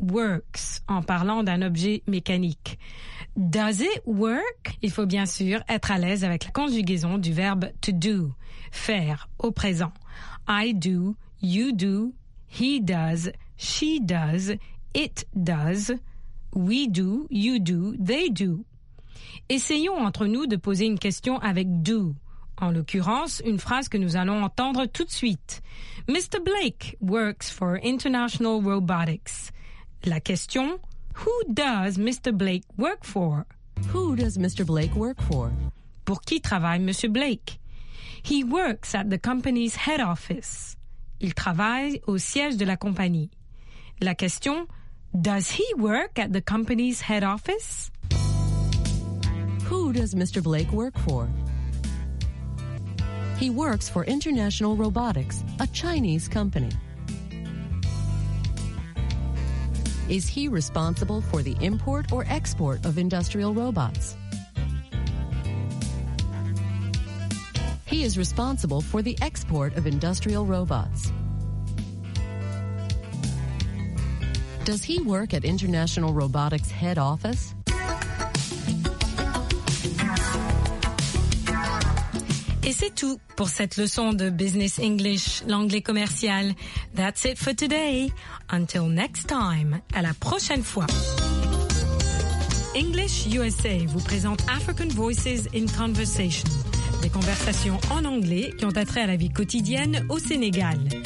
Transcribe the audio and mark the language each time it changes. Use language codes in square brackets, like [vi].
[fr] works en parlant d'un objet mécanique. [en] Does it work? [fr] Il faut bien sûr être à l'aise avec la conjugaison du verbe to do, faire, au présent. [en] I do, you do, he does, she does, it does, we do, you do, they do. [fr] Essayons entre nous de poser une question avec do. En l'occurrence, une phrase que nous allons entendre tout de suite. [en] Mr. Blake works for International Robotics. [fr] La question, [en] who does Mr. Blake work for? Who does Mr. Blake work for? [fr] Pour qui travaille Monsieur Blake? [en] He works at the company's head office. [fr] Il travaille au siège de la compagnie. La question, [en] does he work at the company's head office? Who does Mr. Blake work for? He works for International Robotics, a Chinese company. Is he responsible for the import or export of industrial robots? He is responsible for the export of industrial robots. Does he work at International Robotics head office? [fr] Et c'est tout pour cette leçon de Business English, l'anglais commercial. [en] That's it for today. Until next time, [fr] à la prochaine fois. English USA vous présente African Voices in Conversation, des conversations en anglais qui ont attrait à la vie quotidienne au Sénégal.